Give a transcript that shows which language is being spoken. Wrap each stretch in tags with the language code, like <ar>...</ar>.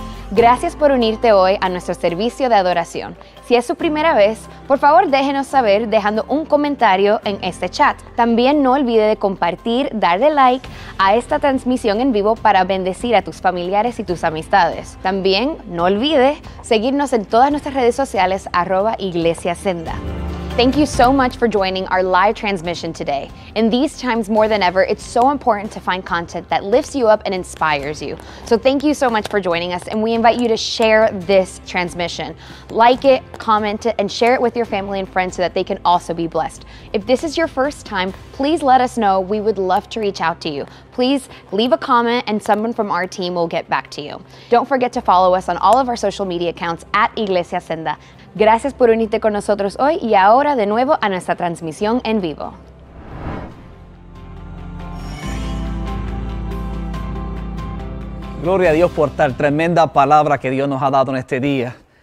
<es>Gracias por unirte hoy a nuestro servicio de adoración. Si es su primera vez, por favor déjenos saber dejando un comentario en este chat. También no olvide de compartir, darle like a esta transmisión en vivo para bendecir a tus familiares y tus amistades. También no olvide seguirnos en todas nuestras redes sociales, @iglesiasenda.</es> <en>Thank you so much for joining our live transmission today. In these times more than ever, it's so important to find content that lifts you up and inspires you. So thank you so much for joining us, and we invite you to share this transmission. Like it, comment it, and share it with your family and friends so that they can also be blessed. If this is your first time, please let us know. We would love to reach out to you. Please leave a comment and someone from our team will get back to you. Don't forget to follow us on all of our social media accounts @iglesiasenda.</en> <es>Gracias por unirte con nosotros hoy y ahora de nuevo a nuestra transmisión en vivo. Gloria a Dios por tal tremenda palabra que Dios nos ha dado en este día.</es>